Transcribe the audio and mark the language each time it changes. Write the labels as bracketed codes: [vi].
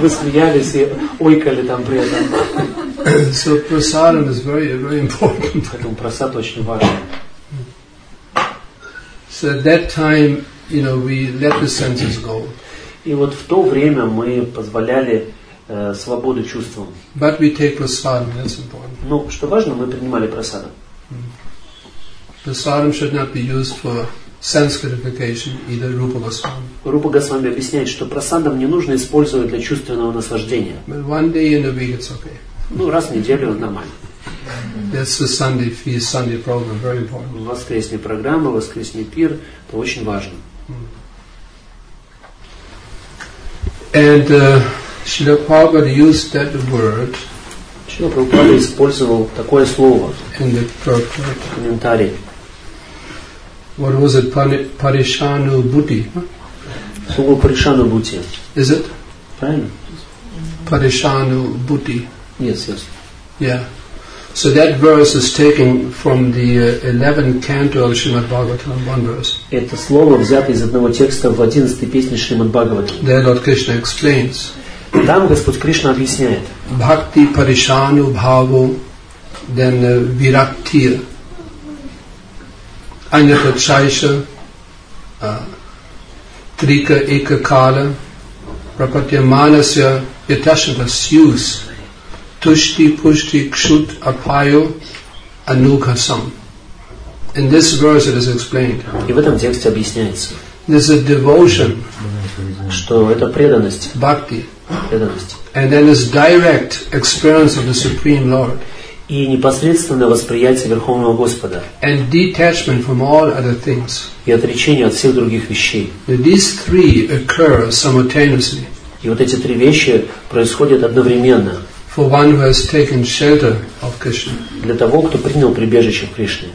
[ru] Вы смеялись и ойкали там при этом. [en] So prasadam is very, very important. [ru] Поэтому прасад очень важен. [en] So at that time, you know, we let the senses go. [ru] И вот в то время мы позволяли свободу чувствам. [en] But we take prasadam, that's important. [ru] Ну, что важно, мы принимали прасадам. [en] Prasadam should not be used for sense gratification, either Rupa Goswami. [ru] Rupa Goswami объясняет, что прасадам не нужно использовать для чувственного наслаждения. [en] But one day in a week it's okay. [ru] Ну, раз в неделю нормально. [en] That's the Sunday feast, Sunday program, very important. [ru] Воскресная программа, воскресный пир, это очень важно. [en] And Srila Prabhupada used that word. [ru] Srila Prabhupada использовал такое слово. [en] In the purport. [ru] В комментарии. [en] What was it? Parishanu Bhuti. [ru] Слово Parishanu Bhuti. [en] Is it? [ru] Правильно. [sa] Parishanu Bhuti. [en] Yes, yes. Yeah. So that verse is taken from the 11th canto of Srimad Bhagavatam, one verse. [ru] Это слово взято из одного текста в 11-й песне Шримад Бхагаватам. [en] There Lord Krishna explains. [ru] Там Господь Кришна объясняет. [sa] Bhakti parishanu bhavo, then viraktir, anyata chaisha, trika eka kala, prapatya manasya yatashita syus. Tushti pushti kshut apayo anukhasam. [en] In this verse it is explained. [ru] И в этом тексте объясняется. [en] There's a devotion. [ru] Что это преданность. [en] Bhakti. [ru] Преданность. [en] And then there's direct experience of the Supreme Lord. [ru] И непосредственное восприятие Верховного Господа. [en] And detachment from all other things. [ru] И отречение от всех других вещей. [en] These three occur simultaneously. [ru] И вот эти три вещи происходят одновременно. [en] For one who has taken shelter of Krishna. [ru] Для того, кто принял прибежище в Кришне.